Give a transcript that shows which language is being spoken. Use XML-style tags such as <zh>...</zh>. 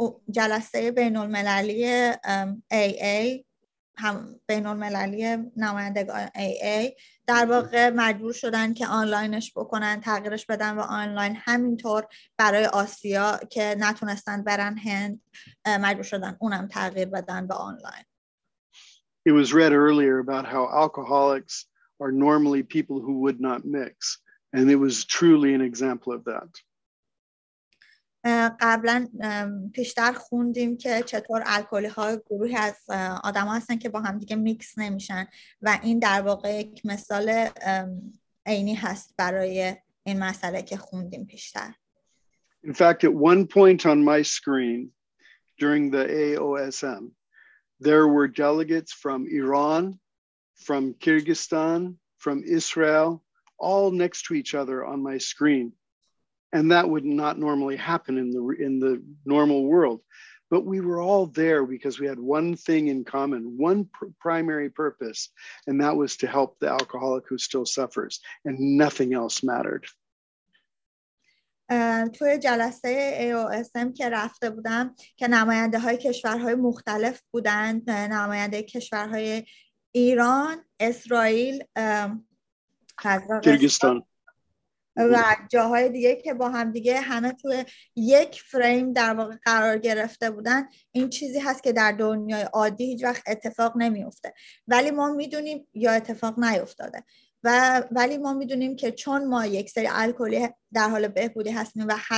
<fa>جلسه بین المللی AA، هم بین المللی نمایندگان AA، در واقع مجبور شدن که آنلاینش بکنن، تغییرش بدن و آنلاین، همینطور برای آسیا که نتونستن برن هند، مجبور شدن اونم تغییر بدن به آنلاین.</fa> <en>It was read earlier about how alcoholics are normally people who would not mix, and it was truly an example of that.</en> <fa>قبلا پیشتر خوندیم که چطور الکلی ها گروهی از آدم ها هستن که با هم دیگه میکس نمیشن و این در واقع یک مثال عینی هست برای این مسئله که خوندیم پیشتر.</fa> <en>In fact, at one point on my screen during the AOSM, there were delegates from Iran, from Kyrgyzstan, from Israel, all next to each other on my screen. And that would not normally happen in the normal world. But we were all there because we had one thing in common, one primary purpose, and that was to help the alcoholic who still suffers, and nothing else mattered.</en> <fa>توی جلسه AOSM که رفته بودم که نماینده های کشورهای مختلف بودند، نماینده کشورهای ایران، اسرائیل، قزاقستان و جاهای دیگه که با هم دیگه همه توی یک فریم در واقع قرار گرفته بودن، این چیزی هست که در دنیای عادی هیچ وقت اتفاق نمیفته، ولی ما میدونیم یا اتفاق نیفتاده و ولی ما میدونیم که چون ما یک سری الکلی در حال بهبودی هستیم و</fa>